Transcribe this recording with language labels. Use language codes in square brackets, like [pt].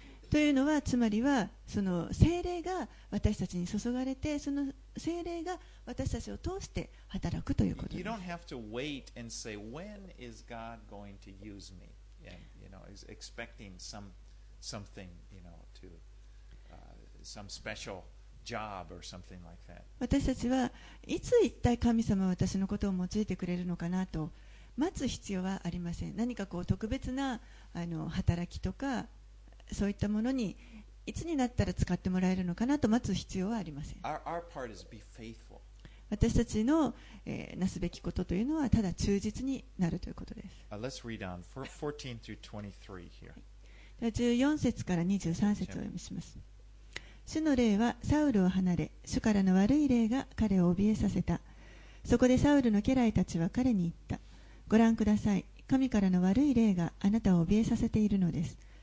[ja] というのは、つまりは、その聖霊が私たちに注がれて、その聖霊が私たちを通して働くということです。 [en] You don't have to wait and say, when is God going to use me? And, you know, is expecting something, you know, to, some special. Job or something like that. [ja] 私たちはいつ一体神様は私のことを用いてくれるのかなと待つ必要はありません。何かこう特別な働きとかそういったものにいつになったら使ってもらえるのかなと待つ必要はありません。 [en] Our part is be faithful. [ja] 私たちの、なすべきことというのはただ忠実になるということです。 [en] Let's read on 14 through 23 here. [ja] 14節から23節を読みします。主の霊はサウルを離れ、主からの悪い霊が彼を怯えさせた。そこでサウルの家来たちは彼に言った。ご覧ください、神からの悪い霊があなたを怯えさせているのです。